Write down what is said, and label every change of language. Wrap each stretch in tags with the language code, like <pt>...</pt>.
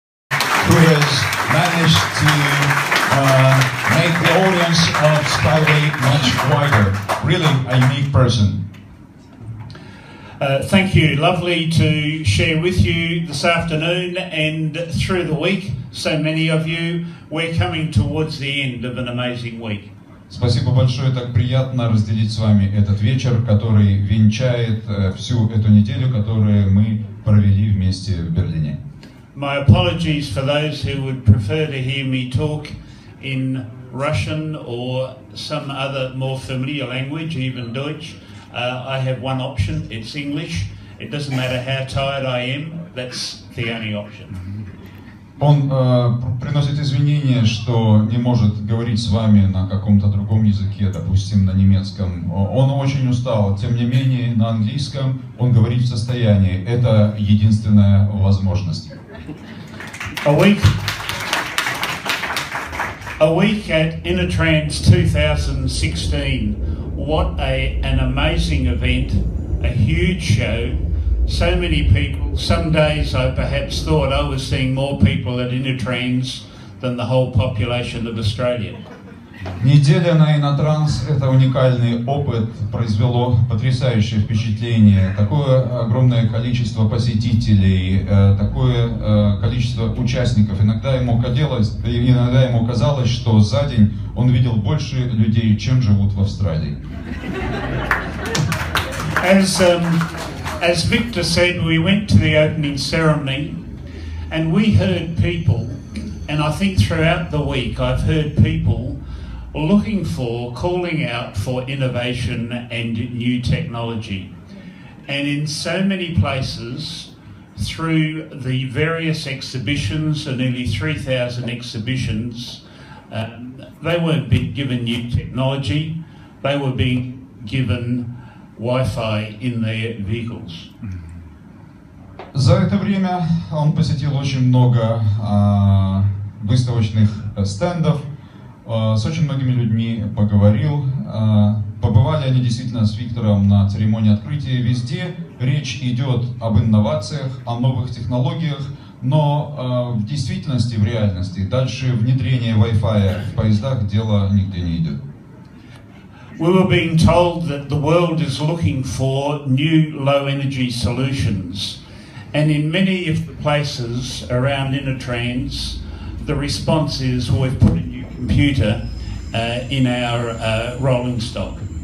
<en>Who has managed to make the audience of Skyway much wider. Really a unique person. Thank you. Lovely to share with you this afternoon and through the week. So many of you, we're coming towards the end of an amazing week.</en> <ru>Спасибо большое, так приятно разделить с вами этот вечер, который венчает всю эту неделю, которую мы провели вместе в Берлине.</ru> <en>My apologies for those who would prefer to hear me talk in Russian or some other more familiar language, even Deutsch. I have one option, it's English. It doesn't matter how tired I am, that's the only option.</en> <ru>Он приносит извинения, что не может говорить с вами на каком-то другом языке, допустим, на немецком. Он очень устал, тем не менее, на английском он говорит в состоянии. Это единственная возможность.</ru> <en>A week at InnoTrans 2016. What an amazing event, a huge show. So many people, some days I perhaps thought I was seeing more people at InnoTrans than the whole population of Australia.</en> <ru>Неделя на InnoTrans – это уникальный опыт, произвело потрясающее впечатление. Такое огромное количество посетителей, такое количество участников. Иногда ему казалось, что за день он видел больше людей, чем живут в Австралии.</ru> <en>As Victor said, we went to the opening ceremony, and we heard people, and I think throughout the week I've heard people looking for, calling out for innovation and new technology. And in so many places, through the various exhibitions, and nearly 3,000 exhibitions, they weren't being given new technology, they were being given Wi-Fi in their vehicles.</en> <ru>За это время он посетил очень много выставочных стендов, С очень многими людьми поговорил. Побывали они действительно с Виктором на церемонии открытия везде. Речь идет об инновациях, о новых технологиях, но в действительности, в реальности, дальше внедрение Wi-Fi в поездах дело нигде не идет.</ru> <en>We were being told that the world is looking for new low-energy solutions. And in many of the places around InnoTrans, the response is, well, we've put a new computer in our rolling stock.</en>